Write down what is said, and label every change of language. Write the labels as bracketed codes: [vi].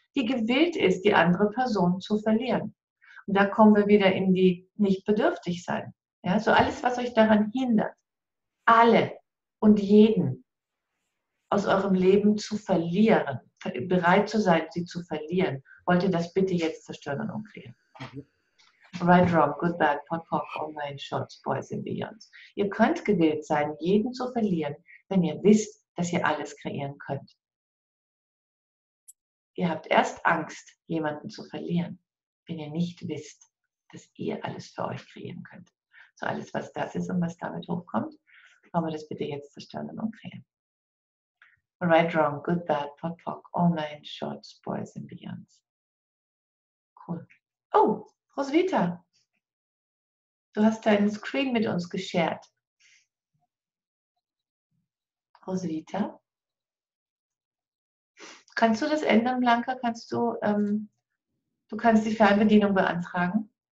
[de] Die gewillt ist, die andere Person zu verlieren. Und da kommen wir wieder in die nicht bedürftig sein. Ja, so alles, was euch daran hindert. Alle. Und jeden aus eurem Leben zu verlieren, bereit zu sein, sie zu verlieren, wollt ihr das bitte jetzt zerstören und umklären. [en] Right, wrong, good, bad, pop, pop, online, shots, boys and beyonds. [de] Ihr könnt gewillt sein, jeden zu verlieren, wenn ihr wisst, dass ihr alles kreieren könnt. Ihr habt erst Angst, jemanden zu verlieren, wenn ihr nicht wisst, dass ihr alles für euch kreieren könnt. So alles, was das ist und was damit hochkommt, aber das bitte jetzt zerstören und kreieren. [en] Right, wrong, good, bad, pop, pop, online, shorts, boys and beyonds. Cool. Oh, [de] Roswitha, du hast deinen Screen mit uns geshared. Roswitha, kannst du das ändern, Blanka? Kannst du, du kannst die Fernbedienung beantragen.